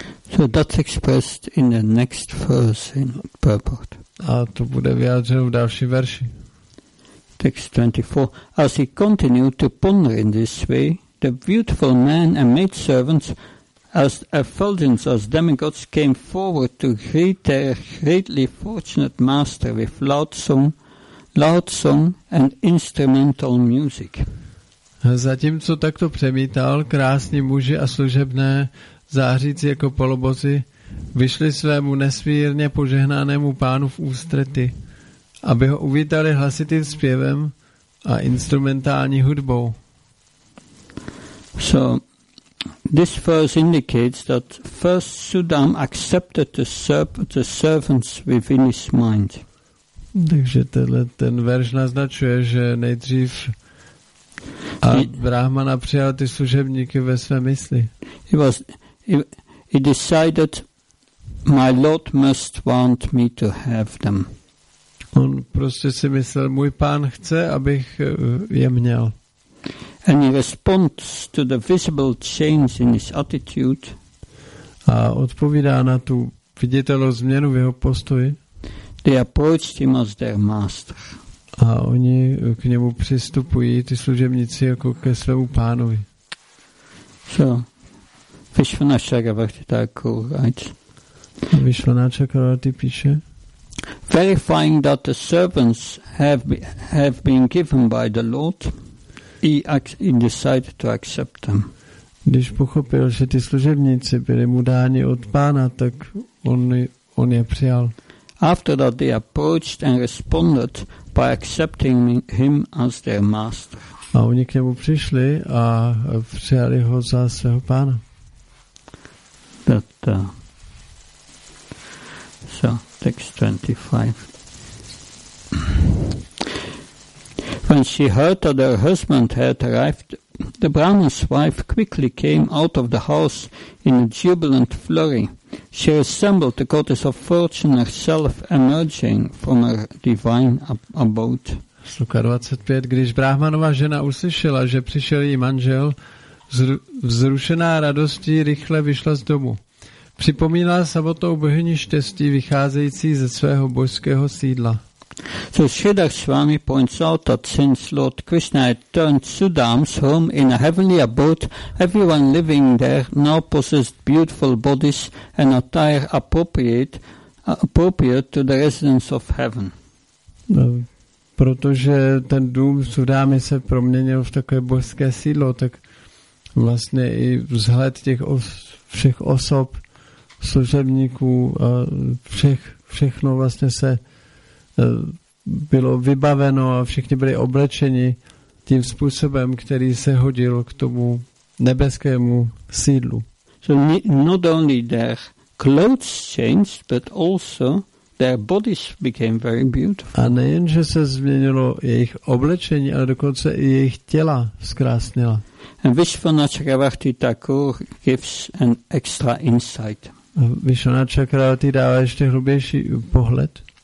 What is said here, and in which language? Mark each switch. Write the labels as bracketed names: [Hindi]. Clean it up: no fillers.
[English] So that's expressed in the next verse in purport. [Czech] A to bude vyjádřeno v další verši. [English] Text 24. As he continued to ponder in this way, the beautiful man and maidservants, as effulgence as demigods, came forward to greet their greatly fortunate master with loud song and instrumental music. [Czech] Zatímco takto přemítal, krásní muži a služebné zářící jako polobozy vyšli svému nesmírně požehnanému pánu v ústrety, aby ho uvítali hlasitým zpěvem a instrumentální hudbou. [English] So this verse indicates that first Sudam accepted the servants within his mind. [Czech] Takže ten verš naznačuje, že nejdřív a Brahmana přijal ty služebníky ve své mysli. [English] He decided my Lord must want me to have them. [Czech] On prostě si myslel, můj pán chce, abych je měl. [English] And in response to the visible change in his attitude, [Czech] a odpovídá na tu viditelnou změnu v jeho postoji, [English] they approached him as their master. [Czech] A oni k němu přistupují, ty služebníci, jako ke svému pánovi. [English] So, Vishvanatha Chakravarti Thakur writes. [Czech] A Vishvanatha Chakravarti píše. [English] Verifying that the servants have been given by the Lord, he decided to accept them. [Czech] Když pochopil, že ty služebníci byli mu dáni od pána, tak on je přijal. [English] After that they approached and responded by accepting him as their master. [Czech] A oni k němu přišli a přijali ho za svého pána. [English] So, text 25. When she heard that her husband had arrived, the Brahman's wife quickly came out of the house in a jubilant flurry. She resembled the goddess of fortune herself emerging from her divine abode. [Czech] Sluka 25. Když Brahmanova žena uslyšela, že přišel její manžel, vzrušená radostí rychle vyšla z domu. Připomínala samotnou bohyni štěstí vycházející ze svého božského sídla. [English] So Sridhar Swami points out that since Lord Krishna had turned Sudam's home in a heavenly abode, everyone living there now possessed beautiful bodies and attire appropriate to the residence of heaven. [Czech] No, protože ten dům Sudámy se proměnil v takové božské sídlo, tak vlastně i vzhled těch všech osob služebníků a všechno vlastně se bylo vybaveno a všichni byli oblečeni tím způsobem, který se hodil k tomu nebeskému sídlu. [English] So not only their clothes changed, but also their bodies became very beautiful. [Czech] A nejen, že se změnilo jejich oblečení, ale dokonce i jejich těla zkrásnila. [English] And Vishvanatha Chakravarti Thakur gives an extra insight. [Czech] Vishvanatha Chakravarti dává ještě hlubější pohled.